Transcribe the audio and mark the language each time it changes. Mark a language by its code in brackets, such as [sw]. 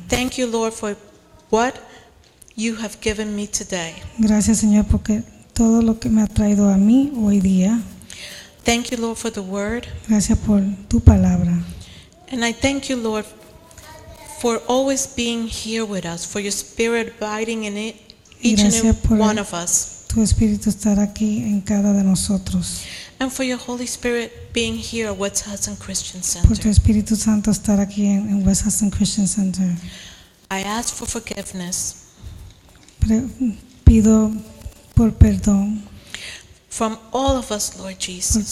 [en] Thank you, Lord, for what you have given me today. [es] Gracias, Señor, porque todo lo que me ha traído a mí hoy día. [en] Thank you, Lord, for the word. [es] Gracias por tu palabra. [en] And I thank you, Lord, for always being here with us, for your spirit abiding in it, each and every one of us. [es] Tu espíritu estar aquí en cada de nosotros. [en] And for your Holy Spirit being here at West Hudson Christian Center. [es] Por tu Espíritu Santo estar aquí en West Hudson Christian Center. [en] I ask for forgiveness. [es] Pido por perdón. [en] From all of us, Lord Jesus.